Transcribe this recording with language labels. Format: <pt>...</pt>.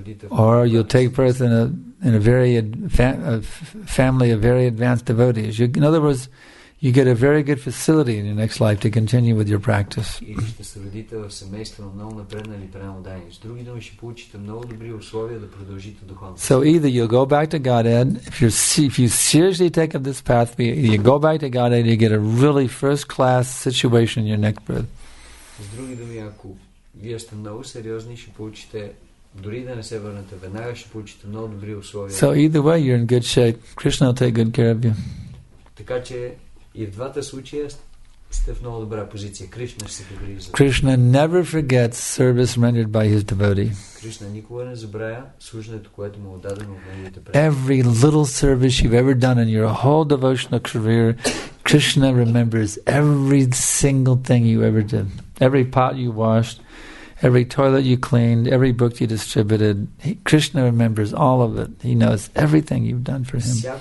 <en>Or you'll take birth in a very family of very advanced devotees. You, in other words, you get a very good facility in your next life to continue with your practice.</en> <bg>Или ще се родите в семейство на много напреднали преподаватели. С други думи, ще получите много добри условия да продължите духовно.</bg> <en>So either you go back to Godhead, if you seriously take up this path, you go back to Godhead, you get a really first-class situation in your next birth.</en> <bg>С други думи, ако вие сте много сериозни, ще получите, дори да не се върнете веднага, ще получите много добри условия.</bg> <en>So either way, you're in good shape. Krishna will take good care of you.</en> <bg>Така че и в двата случая сте в много добра позиция. Кришна ще се погрижи за вас.</bg> <en>Krishna never forgets service rendered by his devotee.</en> <bg>Кришна никога не забравя служението, което му е дадено от неговите преданици.</bg> <en>Every little service you've ever done in your whole devotional career, Krishna remembers every single thing you ever did. Every pot you washed, Every toilet you cleaned, every book you distributed, Krishna remembers all of it. He knows everything you've done for him.</en>